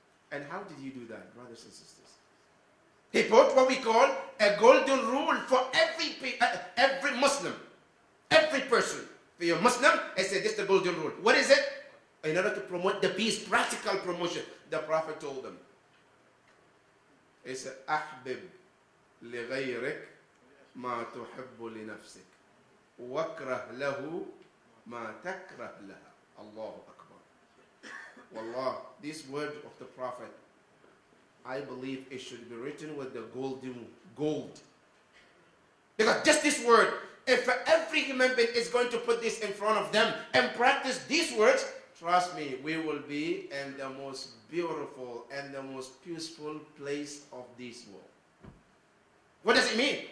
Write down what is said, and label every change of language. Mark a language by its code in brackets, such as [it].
[en] And how did you do that, brothers and sisters? He put what we call a golden rule for every Muslim. Every person. If you're a Muslim, I say this is the golden rule. What is it? In order to promote the peace, practical promotion, the Prophet told them. He said, [ar] أحبب لغيرك ما تحب لنفسك وكره له ما تكره لها. Allahu Akbar. [en] Wallah, this word of the Prophet, I believe it should be written with the golden gold. Because just this word, if every human being is going to put this in front of them and practice these words, trust me, we will be in the most beautiful and the most peaceful place of this world. What does it mean?